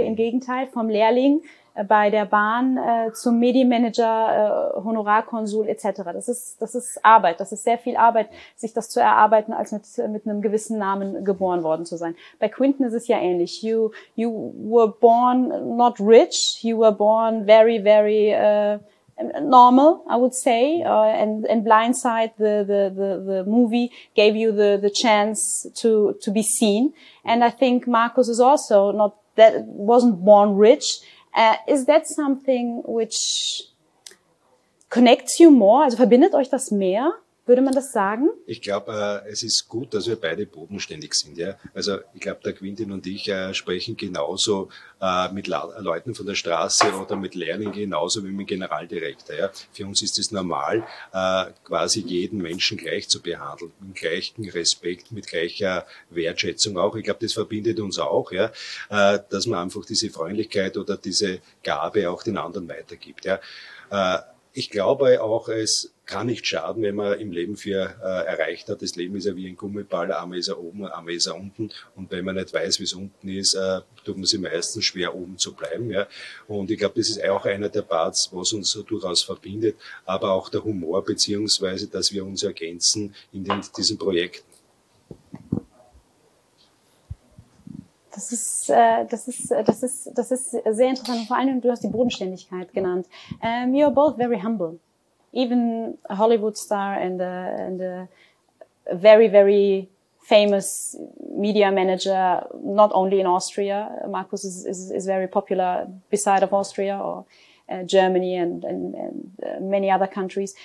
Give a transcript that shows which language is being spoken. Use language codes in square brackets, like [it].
[de] Im Gegenteil, vom Lehrling bei der Bahn zum Medienmanager, Honorarkonsul etc. Das ist Arbeit. Das ist sehr viel Arbeit, sich das zu erarbeiten, als mit einem gewissen Namen geboren worden zu sein. Bei Quentin ist es ja ähnlich. [en] You were born not rich. You were born very, very normal, I would say, and Blindside, the movie, gave you the chance to be seen. And I think Markus is also not that wasn't born rich. Is that something which connects you more? [de] Also verbindet euch das mehr? Würde man das sagen? Ich glaube, es ist gut, dass wir beide bodenständig sind. Ja? Also ich glaube, der Quintin und ich sprechen genauso mit Leuten von der Straße oder mit Lehrlingen genauso wie mit Generaldirektor. Ja? Für uns ist es normal, quasi jeden Menschen gleich zu behandeln, mit gleichem Respekt, mit gleicher Wertschätzung auch. Ich glaube, das verbindet uns auch, ja? Dass man einfach diese Freundlichkeit oder diese Gabe auch den anderen weitergibt. Ja? Ich glaube auch, es kann nicht schaden, wenn man im Leben viel erreicht hat. Das Leben ist ja wie ein Gummiball, einmal ist er oben, einmal ist er unten. Und wenn man nicht weiß, wie es unten ist, tut man sich meistens schwer, oben zu bleiben. Ja. Und ich glaube, das ist auch einer der Parts, was uns so durchaus verbindet, aber auch der Humor, beziehungsweise, dass wir uns ergänzen in diesen Projekten. Das ist sehr interessant. Vor allem, du hast die Bodenständigkeit genannt. [en] You are both very humble. Even a Hollywood star and a very, very famous media manager, not only in Austria. Markus is very popular beside of Austria or Germany and many other countries.